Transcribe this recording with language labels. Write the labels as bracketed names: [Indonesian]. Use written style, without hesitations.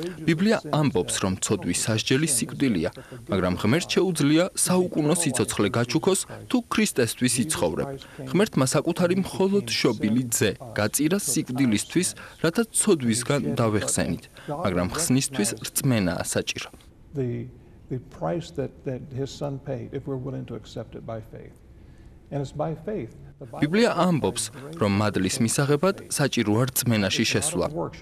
[Georgian] ბიბლია ამბობს, რომ ცოდვის სასჯელი სიკვდილია, მაგრამ ღმერთ შეუძლია საუკუნო სიცოცხლე გაჩუქოს, თუ ქრისტესთვის იცხოვრებ. ღმერთმა საკუთარი მხოლოდ შობილი ძე გაწირა სიკვდილისთვის, რათა ცოდვისგან დავეხსენით, მაგრამ ხსნისთვის რწმენაა საჭირო. [English] The price that his son paid if we're willing to accept it by faith. And it's by faith. [Georgian] ბიბლია ამბობს, რომ მადლის მისაღებად საჭიროა რწმენაში შესვლა.